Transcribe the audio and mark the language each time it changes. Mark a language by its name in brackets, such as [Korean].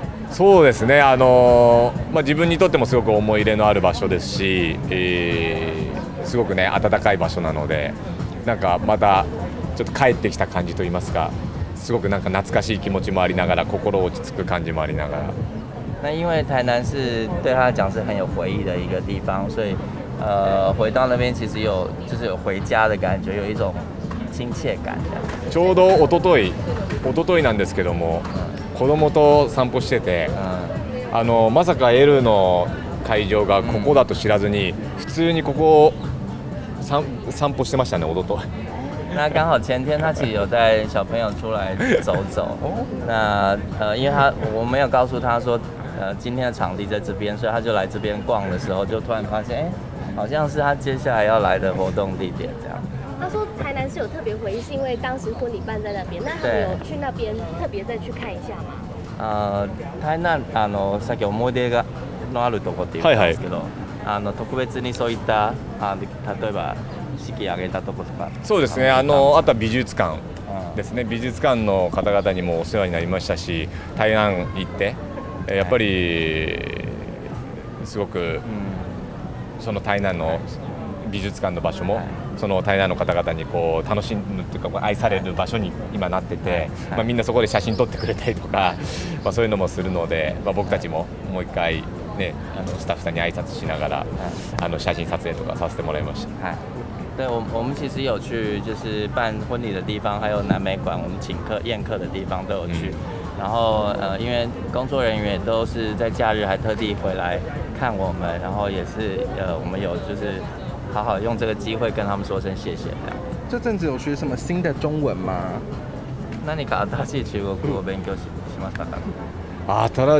[Japanese] そうですね。まあ自分にとってもすごく思い入れのある場所ですし、すごくね暖かい場所なので、なんかまたちょっと帰ってきた感じと言いますか。すごくなんか懐かしい気持ちもありながら、心落ち着く感じもありながら。 [Chinese] 那因为台南是对他来讲是很有回忆的一个地方，所以回到那边其实有就是有回家的感觉，有一种亲切感。 [Japanese] ちょうど一昨日なんですけども、子供と散歩してて、まさかLの会場がここだと知らずに、普通にここを散歩してましたね、一昨日。 [Chinese] 那刚好前天他其实有带小朋友出来走走，那因为我没有告诉他说今天的场地在这边，所以他就来这边逛的时候就突然发现，好像是他接下来要来的活动地点这样。他说台南是有特别回忆，是因为当时婚礼办在那边，那他们有去那边特别再去看一下吗？ [Japanese] 台南さっき思い出がのあるとこって言ったんですけど、特別にそういった例えば。式挙げたとことか。そうですね。あとは美術館ですね。美術館の方々にもお世話になりましたし、台南行ってやっぱりすごくその台南の美術館の場所もその台南の方々にこう楽しむというか愛される場所に今なってて、まあみんなそこで写真撮ってくれたりとか、まあそういうのもするので、まあ僕たちももう一回ねスタッフさんに挨拶しながら写真撮影とかさせてもらいました。 [Chinese] 对，我们其实有去，就是办婚礼的地方，还有南美馆，我们请客宴客的地方都有去。然后因为工作人员都是在假日还特地回来看我们，然后也是我们有就是好好用这个机会跟他们说声谢谢这样。这阵子有学什么新的中文吗？那你考大学中国语我勉强しましたか？